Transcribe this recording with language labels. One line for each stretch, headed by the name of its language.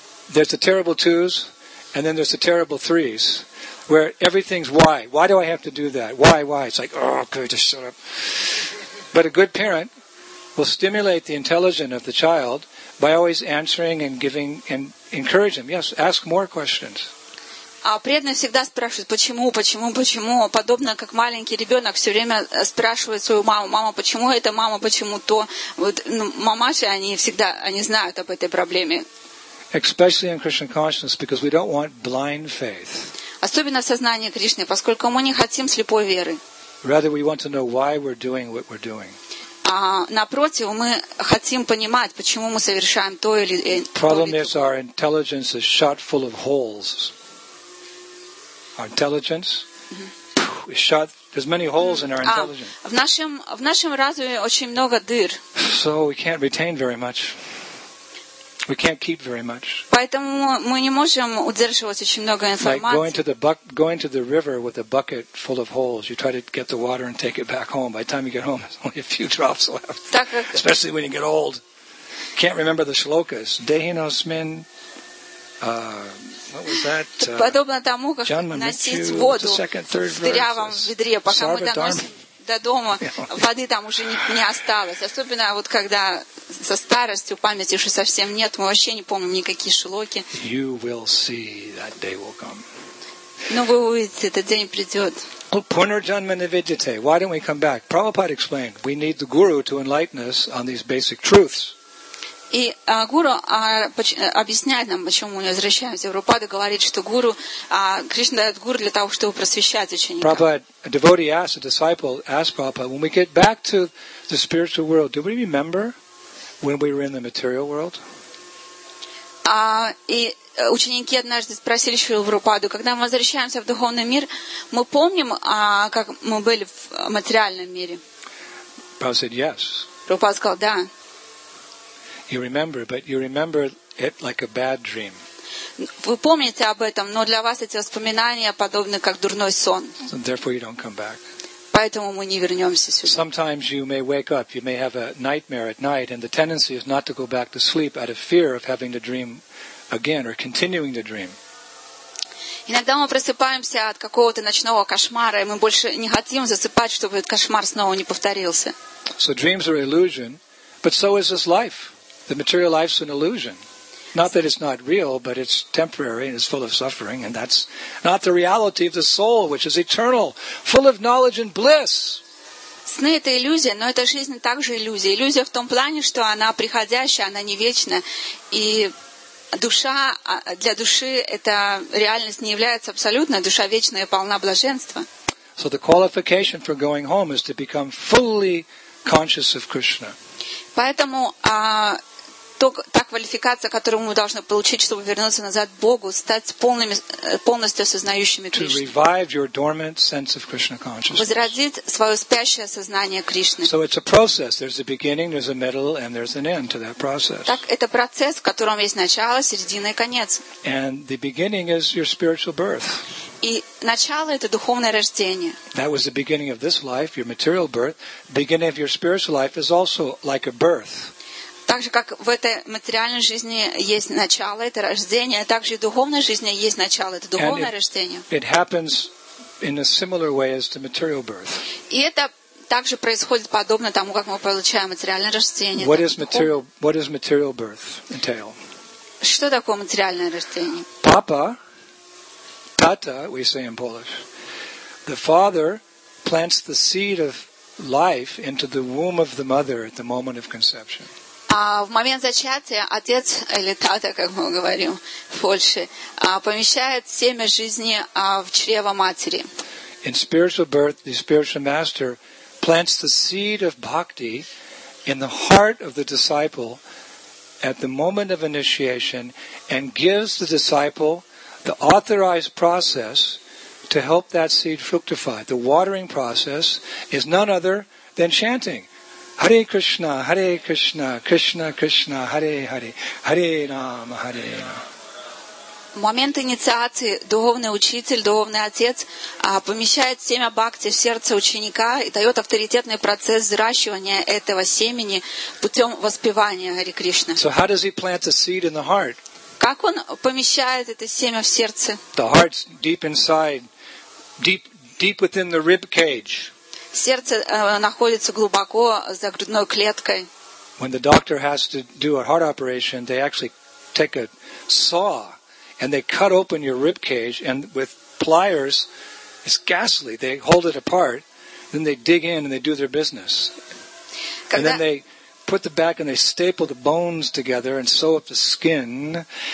English: There's the terrible 2s, and then there's the terrible 3s, where everything's why. Why do I have to do that? Why? It's like, oh, could I just shut up? But a good parent will stimulate the intelligence of the child by always answering and giving and encourage him. Yes, ask more questions.
Russian: А преданный всегда спрашивает, почему? Подобно, как маленький ребенок все время спрашивает свою маму, мама, почему это, мама, почему то? Вот, ну, мамаши, они всегда знают об этой проблеме.
English: Especially in Krishna consciousness, because we don't want blind faith.
Russian: Особенно в сознании Кришны, поскольку мы не хотим слепой веры.
English: Rather, we want to know why we're doing what we're doing.
Russian: Напротив, мы хотим понимать, почему мы совершаем то или то.
English: Problem is our intelligence is shot full of holes. Our intelligence is shot. There's many holes in our intelligence.
Russian: В нашем разуме очень много дыр.
English: So we can't retain very much. We can't keep very much.
Russian: Поэтому мы не можем удерживать очень много информации.
English: Like going to the river with a bucket full of holes. You try to get the water and take it back home. By the time you get home, there's only a few drops left. Especially when you get old. Can't remember the shlokas. Dehinosmin. What was that?
Russian: Подобно тому, как носить воду в дырявом ведре, пока мы доносим до дома, воды там уже не осталось. Особенно вот когда со старостью памяти уже совсем нет, мы вообще не помним никакие шлоки.
English: You will see that day will come.
Russian: Но вы увидите, этот день придет.
Sanskrit: Пунарджанма навидите.
English: Why don't we come back? Prabhupada explained, we need the guru to enlighten us on these basic truths.
Russian: И гуру объясняет нам, почему мы не возвращаемся. Прабхупада говорит, что гуру, Кришна дает гуру для того, чтобы просвещать ученика.
English: Prabhupada, a devotee asked, a disciple asked Prabhupada, when we get back to the spiritual world, do we remember when we were in the material world?
Russian: И ученики однажды спросили Шрилу Прабхупаду, когда мы возвращаемся в духовный мир, мы помним, как мы были в материальном мире?
English: Prabhupada said, yes.
Russian: Прабхупада сказал, да.
English: You remember, but you remember it like a bad dream.
Russian: Вы помните об этом, но для вас эти воспоминания подобны как дурной сон.
English: Therefore, you don't come back.
Russian: Поэтому мы не вернемся сюда.
English: Sometimes you may wake up, you may have a nightmare at night, and the tendency is not to go back to sleep out of fear of having the dream again or continuing the dream.
Russian: Иногда мы просыпаемся от какого-то ночного кошмара, и мы больше не хотим засыпать, чтобы этот кошмар снова не повторился.
English: So dreams are illusion, but so is this life. The material life's an illusion. Not that it's not real, but it's temporary and it's full of suffering, and that's not the reality of the soul, which is eternal, full of knowledge and bliss.
Russian: Сны — это иллюзия, но эта жизнь также иллюзия. Иллюзия в том плане, что она приходящая, она не вечна, и душа для души эта реальность не является абсолютной. Душа вечная и полна блаженства.
English: So the qualification for going home is to become fully conscious of Krishna.
Russian: Поэтому та квалификация, которую мы должны получить, чтобы вернуться назад к Богу, стать полностью осознающими Кришну.
English: To revive your dormant sense of Krishna consciousness.
Russian: Возродить свое спящее сознание Кришны.
English: So it's a process. There's a beginning, there's a middle, and there's an end to that process.
Russian: Так, это процесс, в котором есть начало, середина и конец.
English: And the beginning is your spiritual birth.
Russian: И начало — это духовное рождение.
English: That was the beginning of this life, your material birth. Beginning of your spiritual life is also like a birth.
Russian: Так же, как в этой материальной жизни есть начало, это рождение, так же и в духовной жизни есть начало, это духовное рождение.
English: It happens in a similar way as the material birth.
Russian: И это также происходит подобно тому, как мы получаем материальное рождение.
English: What does material birth entail?
Russian: Что такое материальное рождение?
English: Papa, tata, we say in Polish, the father plants the seed of life into the womb of the mother at the moment of conception.
Russian: А в момент зачатия отец или тата, как мы говорим в Польше, помещает семя жизни в чрево матери.
English: In spiritual birth, the spiritual master plants the seed of bhakti in the heart of the disciple at the moment of initiation and gives the disciple the authorized process to help that seed fructify. The watering process is none other than chanting.
Sanskrit: Hare Krishna, Hare Krishna, Krishna Krishna, Hare Hare, Hare Rama, Hare Rama.
Russian: В момент инициации духовный учитель, духовный отец помещает семя бхакти в сердце ученика и дает авторитетный процесс взращивания этого семени путем воспевания Hare Krishna.
English: So how does he plant the seed in the heart?
Russian: Как он помещает это семя в сердце?
English: The heart's deep inside, deep within the rib cage.
Russian: Сердце находится глубоко за грудной клеткой.
English: When the doctor has to do a heart operation, they actually take a saw and they cut open your rib cage and with pliers, it's ghastly, they hold it apart, then they dig in and they do their business. And then they put the back and they staple the bones together and sew up the skin.